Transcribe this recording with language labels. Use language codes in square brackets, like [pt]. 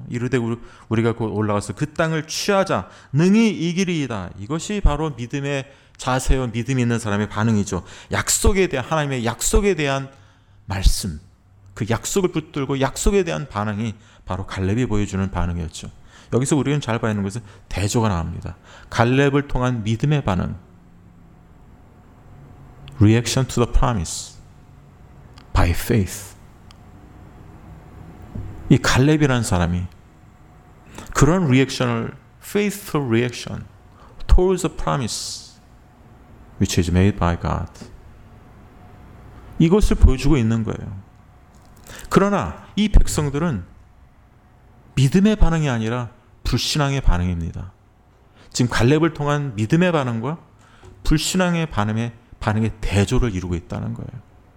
[ko] 이르되 우리가 곧 올라가서 그 땅을 취하자 능히 이기리이다. 이것이 바로 믿음의 자세요. 믿음 있는 사람의 반응이죠. 약속에 대한 하나님의 약속에 대한 말씀 그 약속을 붙들고 약속에 대한 반응이 바로 갈렙이 보여주는 반응이었죠. 여기서 우리는 잘 봐야 하는 것은 대조가 나옵니다. 갈렙을 통한 믿음의 반응 [en] Reaction to the promise by faith. [ko] 이 갈렙이라는 사람이 그런 리액션을 [en] faithful reaction towards the promise which is made by God. [ko] 이것을 보여주고 있는 거예요. 그러나 이 백성들은 믿음의 반응이 아니라 불신앙의 반응입니다. 지금 갈렙을 통한 믿음의 반응과 불신앙의 반응의 대조를 이루고 있다는 거예요.